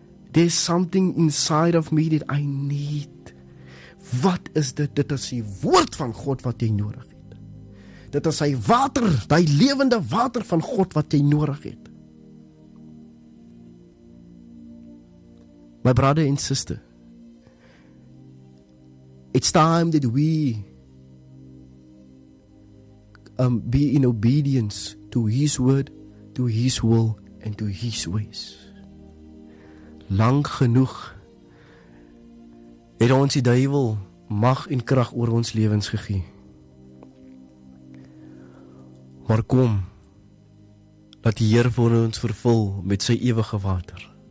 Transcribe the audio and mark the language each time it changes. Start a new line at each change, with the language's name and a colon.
English: There's something inside of me that I need.
Afrikaans: Wat is dit? Dit is die woord van God wat jy nodig het. Dit is sy water, die lewende water van God wat jy nodig het.
English: My brother and sister, it's time that we be in obedience to his word, to his will, and to his ways.
Afrikaans: Lang genoeg het ons die duivel mag en krag oor ons lewens gegee. Maar kom, laat die Heer vir ons vervul met sy ewige water.